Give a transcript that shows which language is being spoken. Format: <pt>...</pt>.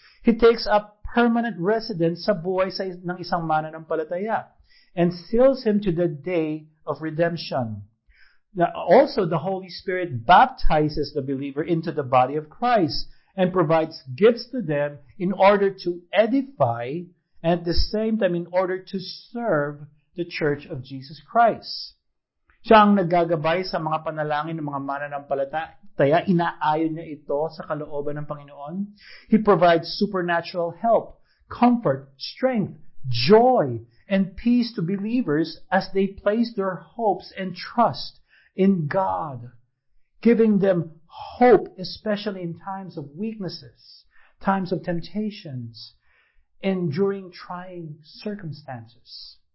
<en>He takes up permanent residence sa buhay ng isang mananampalataya and seals him to the day of redemption. Also, the Holy Spirit baptizes the believer into the body of Christ and provides gifts to them in order to edify and at the same time in order to serve the Church of Jesus Christ.</en> <tl>Siya ang nagagabay sa mga panalangin ng mga mananampalataya. Taya, inaayon niya ito sa kalooban ng Panginoon.</tl> <en>He provides supernatural help, comfort, strength, joy, and peace to believers as they place their hopes and trust in God, giving them hope, especially in times of weaknesses, times of temptations, and during trying circumstances.</en>